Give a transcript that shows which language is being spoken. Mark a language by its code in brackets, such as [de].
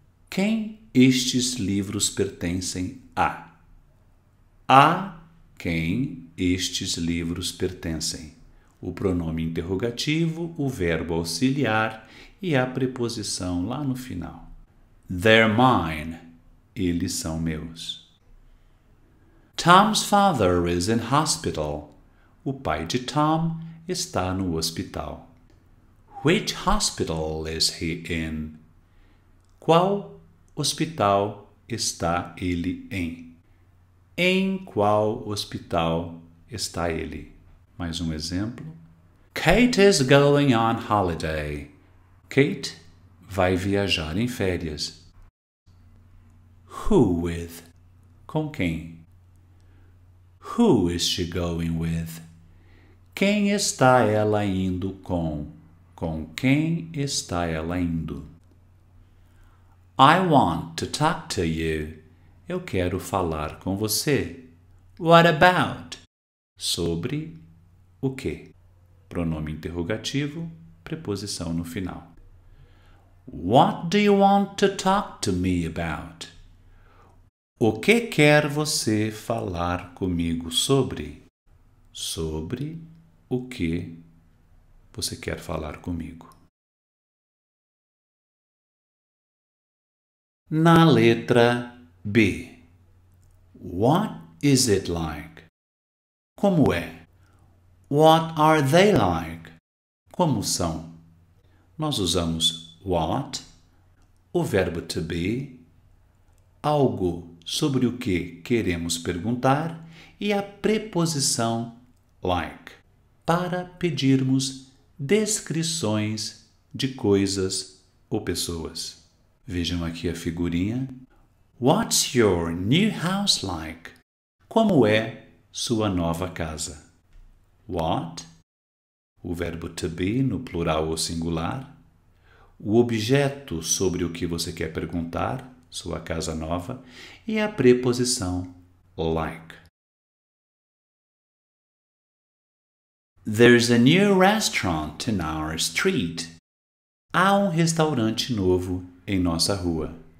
[pt] Quem estes livros pertencem a? A quem estes livros pertencem? O pronome interrogativo, o verbo auxiliar e a preposição lá no final. [en] They're mine. [pt] Eles são meus. [en] Tom's father is in hospital. [pt] O pai de Tom está no hospital. [en] Which hospital is he in? [pt] Qual hospital está ele em? Em qual hospital está ele? Mais um exemplo. [en] Kate is going on holiday. [pt] Kate vai viajar em férias. [en] Who with? [pt] Com quem? [en] Who is she going with? [pt] Quem está ela indo com? Com quem está ela indo? [en] I want to talk to you. [pt] Eu quero falar com você. [en] What about? [pt] Sobre o quê? Pronome interrogativo, preposição no final. [en] What do you want to talk to me about? [pt] O que quer você falar comigo sobre? Sobre o que você quer falar comigo? Na letra B. [en] What is it like? [pt] Como é? [en] What are they like? [pt] Como são? Nós usamos what, o verbo to be, algo sobre o que queremos perguntar e a preposição like para pedirmos descrições de coisas ou pessoas. Vejam aqui a figurinha. [en] What's your new house like? [pt] Como é sua nova casa? What? O verbo to be no plural ou singular. O objeto sobre o que você quer perguntar. Sua casa nova, e a preposição like. [en] There's a new restaurant in our street. [pt] Há um restaurante novo em nossa rua.